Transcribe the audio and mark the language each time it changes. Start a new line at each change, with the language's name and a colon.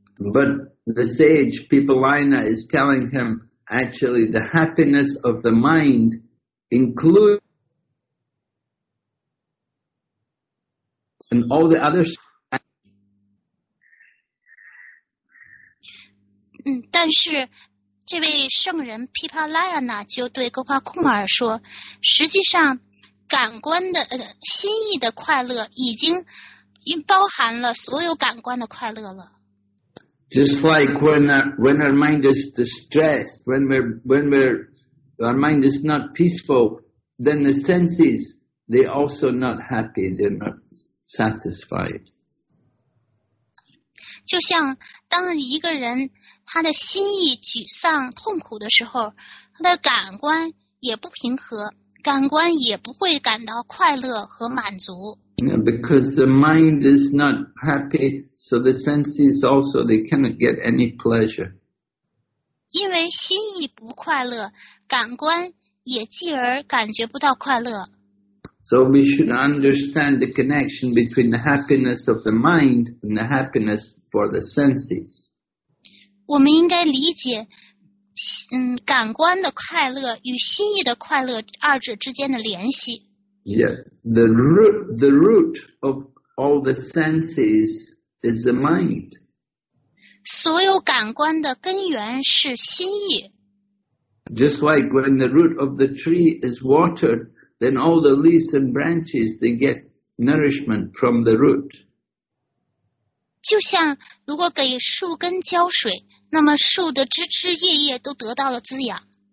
English: But the sage Pipalina is telling him, actually, the happiness of the mind includes and all the others.
Chinese: 但是这位圣人 Pipalina 就对 Gopal Kumar 说，实际上感官的心意的快乐已经包含了所有感官的快乐了。
English: Just like when our mind is distressed, when our mind is not peaceful, then the senses, they're also not happy, they're not satisfied.
Chinese: 就像当一个人他的心意沮丧痛苦的时候，他的感官也不平和，感官也不会感到快乐和满足。
English: Yeah, because the mind is not happy, so the senses also, they cannot get any pleasure.
Chinese: 因为心意不快乐，感官也继而感觉不到快乐。
English: So we should understand the connection between the happiness of the mind and the happiness for the senses.
Chinese: 我们应该理解，感官的快乐与心意的快乐二者之间的联系。
English: Yes, the root of all the senses is the mind.
Chinese: 所有感官的根源是心意。
English: Just like when the root of the tree is watered, then all the leaves and branches, they get nourishment from the root.
Chinese: 就像如果给树根浇水，那么树的枝枝叶叶都得到了滋养。